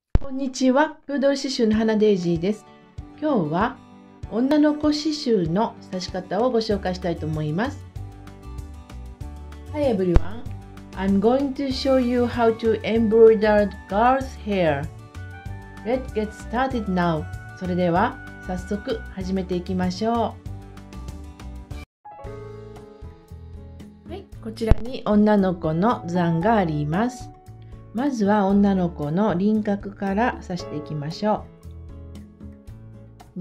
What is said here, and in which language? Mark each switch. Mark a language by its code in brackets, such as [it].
[ja] こんにちは、プードル刺繍の花デイジーです。今日は女の子刺繍の刺し方をご紹介したいと思います。 [en] Hi everyone, I'm going to show you how to embroider girls' hair. Let's get started now. [ja] それでは早速始めていきましょう。はい、こちらに女の子の図案があります。まずは女の子の輪郭から刺していきましょう。